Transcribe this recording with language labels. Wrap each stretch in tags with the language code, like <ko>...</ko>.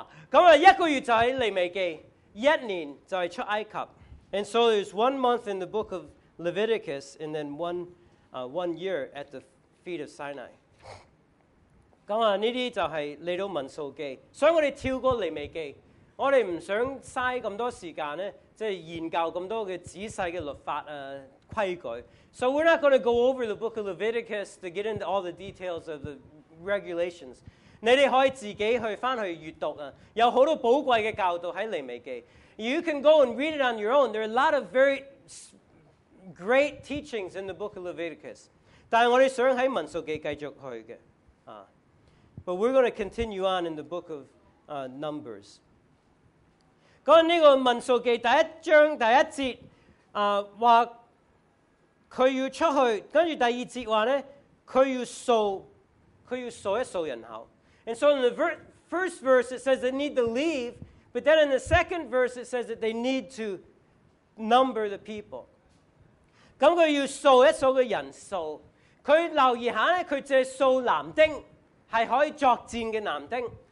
<yue>咁一个月就喺利未记，一年就喺出埃及。</yue> <en>And so there's 1 month in the book of Leviticus and then one year at the feet of Sinai.</en> <yue>咁呢啲就係嚟到民数记。所以我哋跳过利未记，我哋唔想嘥咁多时间呢，即係研究咁多嘅仔细嘅律法规矩。</yue> <en>So we're not going to go over the book of Leviticus to get into all the details of the regulations.</en> <yue>你哋可以自己去翻去阅读啊，有好多宝贵嘅教导喺尼微记。</yue> <en>You can go and read it on your own. There are a lot of very great teachings in the book of Leviticus.</en> <yue>但系我哋想喺民数记继续去嘅啊。</yue> <en>But we're going to continue on in the book of Numbers.</en> <yue>讲呢个民数记第一章第一节啊，话佢要出去，跟住第二节话咧，佢要数一数人口。</yue> <en>And so in the first verse it says they need to leave, but then in the second verse it says that they need to number the people.</en> <yue>咁佢要数一数嘅人数，佢留意下咧，佢就系数男丁，系可以作战嘅男丁。</yue>